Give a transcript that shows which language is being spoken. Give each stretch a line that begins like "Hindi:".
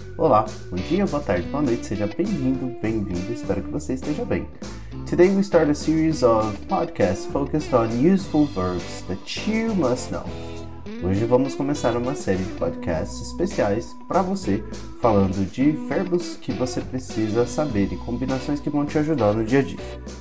Portuguese: Olá, bom dia, boa tarde, boa noite, seja bem-vindo, bem-vindo, espero que você esteja bem.
English: Today we start a series of podcasts focused on useful verbs that you must know.
Portuguese: Hoje vamos começar uma série de podcasts especiais para você, falando de verbos que você precisa saber e combinações que vão te ajudar no dia a dia.